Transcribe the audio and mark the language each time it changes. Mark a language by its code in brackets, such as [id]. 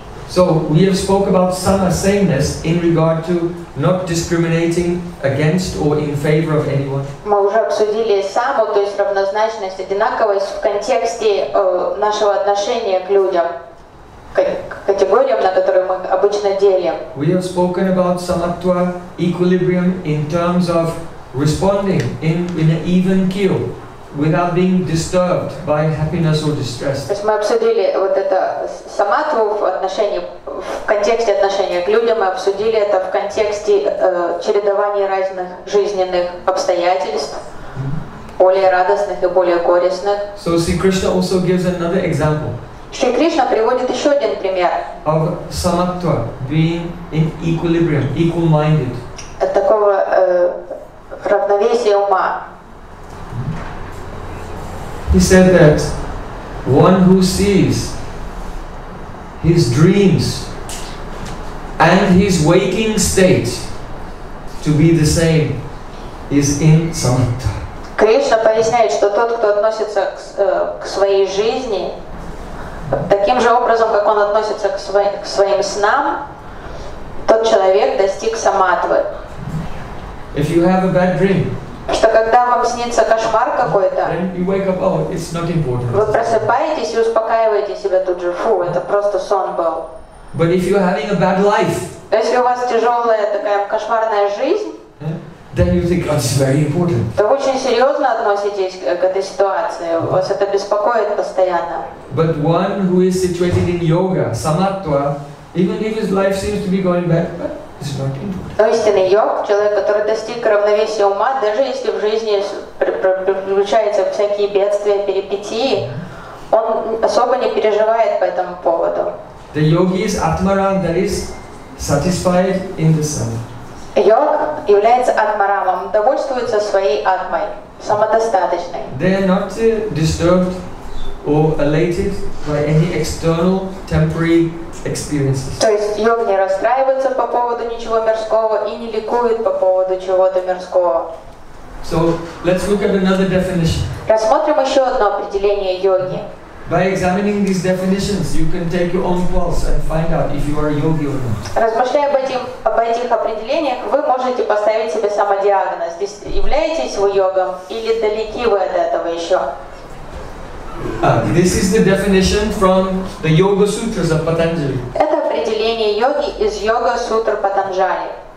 [en] So we have spoke about sama sameness in regard to not discriminating against or in favor of anyone. [ru] Мы уже обсудили саму, то есть равнозначность, одинаковость в контексте нашего отношения к людям. Категориям, на которые мы обычно делим. [en] We have spoken about samatva equilibrium in terms of responding in an even keel without being disturbed by happiness or distress. [ru] То есть мы обсудили вот это саматву в отношении, в контексте отношения к людям, мы обсудили это в контексте чередования разных жизненных обстоятельств. Mm-hmm. Более радостных и более горестных. [en] So Sri Krishna also gives another example. [ru] Шри Кришна приводит еще один пример. [en] Of samatva, being in equilibrium, equal-minded. [ru] От такого равновесия ума. [en] He said that one who sees his dreams and his waking state to be the same is in samatha. [ru] Кришна поясняет, что тот, кто относится к, к своей жизни таким же образом, как он относится к, свой, к своим снам, тот человек достиг самадхи. [en] If you have a bad dream, [ru] что когда вам снится кошмар какой-то, [en] you wake up, oh, it's not important. [ru] Вы просыпаетесь и успокаиваете себя тут же, фу, это просто сон был. [en] But if you're having a bad life, [ru] если у вас тяжелая такая кошмарная жизнь, [en] then you think, oh, this is very important. [ru] То вы очень серьезно относитесь к этой ситуации, вас это беспокоит постоянно. [en] But one who is situated in yoga, samatva, even if his life seems to be going bad, it's not important. [ru] Но истинный йог, человек, который достиг равновесия ума, даже если в жизни приключаются всякие бедствия, перипетии, он особо не переживает по этому поводу. [en] The yogi is atmaram, that is satisfied in the sun. [ru] Йог является атмарамом, довольствуется своей атмой, самодостаточной. [en] They are not disturbed or elated by any external temporary experiences. [ru] То есть йог не расстраивается по поводу ничего мирского и не ликует по поводу чего-то мирского. [en] So let's look at another definition. [ru] Рассмотрим еще одно определение йоги. [en] By examining these definitions, you can take your own pulse and find out if you are a yogi or not. [ru] Размышляя об этих определениях, вы можете поставить себе самодиагноз. Являетесь вы йогом или далеки вы от этого еще? [en] This is the definition from the Yoga Sutras of Patanjali. [ru] Это определение йоги из Йога Сутр Патанджали.